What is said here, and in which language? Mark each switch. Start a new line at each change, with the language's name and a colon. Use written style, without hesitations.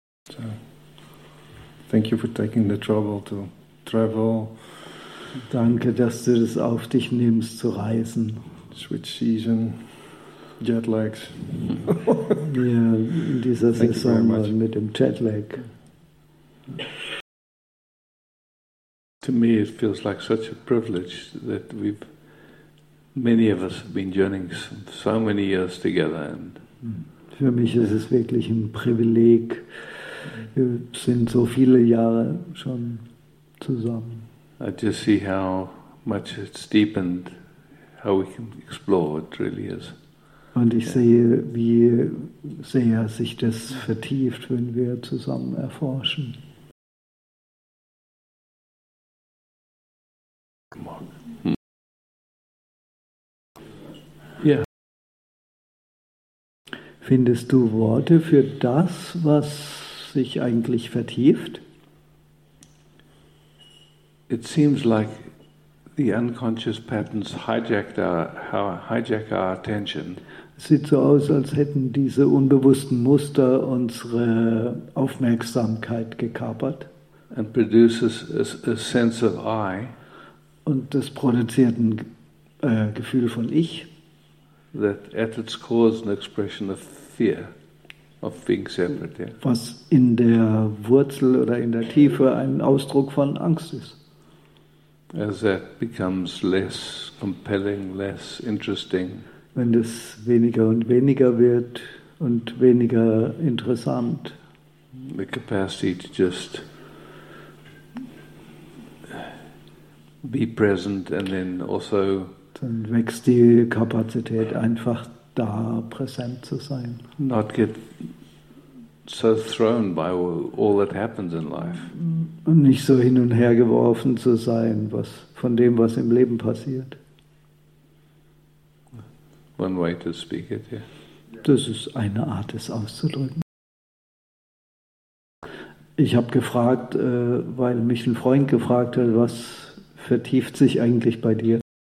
English: So, thank you for taking the trouble to travel.
German: Danke, dass du das auf dich nimmst, zu reisen.
English: Switch season, jet lags.
German: Ja, in dieser Saison mal mit dem Jetlag.
English: To me, it feels like such a privilege that we've. Many of us have been journeying so many years together. And
German: für mich ist es wirklich ein Privileg. Wir sind so viele Jahre schon zusammen.
English: I just see how much it's deepened, how we can explore what really is.
German: Und ich sehe, wie sehr sich das vertieft, wenn wir zusammen erforschen.
English: Come on.
German: Findest du Worte für das, was sich eigentlich vertieft?
English: It seems like the unconscious patterns hijack our attention.
German: Es sieht so aus, als hätten diese unbewussten Muster unsere Aufmerksamkeit gekapert.
English: And produces a sense of I.
German: Und das produziert ein Gefühl von Ich.
English: That at its core is an expression of fear of being separate. Yeah.
German: Was in der Wurzel oder in der Tiefe ein Ausdruck von Angst ist.
English: As that becomes less compelling, less interesting.
German: Wenn das weniger und weniger wird und weniger interessant.
English: The capacity to just be present and then also.
German: Dann wächst die Kapazität, einfach da präsent zu sein.
English: Not get so thrown by all that happens in life.
German: Und nicht so hin und her geworfen zu sein, was von dem, was im Leben passiert.
English: One way to speak it, yeah.
German: Das ist eine Art, es auszudrücken. Ich habe gefragt, weil mich ein Freund gefragt hat, was vertieft sich eigentlich bei dir?